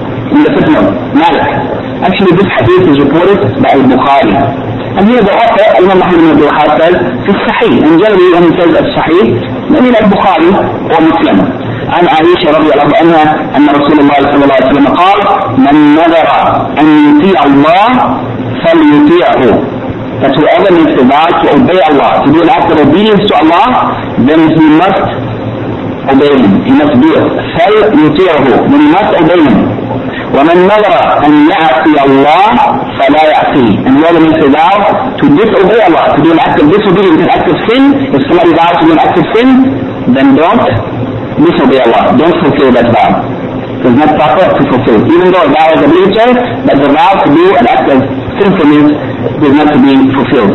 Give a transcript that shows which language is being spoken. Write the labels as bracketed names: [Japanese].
[English] In the Fitna, Malik. Actually, this hadith is reported by al-Bukhari. And here the author, Imam Muhammad Abdul Wahhab, says, [Arabic] في الصحيح. [English] And generally, when he says الصحيح, maybe like Bukhari or Muslim. [Arabic] عن عائشة رضي الله عنها أن رسول الله صلى الله عليه وسلم قال من نذر أن يطيع الله فليطيعه. [English] That whoever makes a vow to obey Allah, to do an act of obedience to Allah, then he must obey Him. He must do it. فليطيعه. Then he must obey Him. [Arabic] ومن نذر أن يعصي الله فلا يعصي. [English] And whoever makes a vow to disobey Allah, to do an act of disobedience, an act of sin, if somebody vows to do an act of sin, then don't disobey Allah. Don't fulfill that vow. It's not proper to fulfill. Even though a vow is obligatory, but the vow to do an act of sinfulness is not to be fulfilled.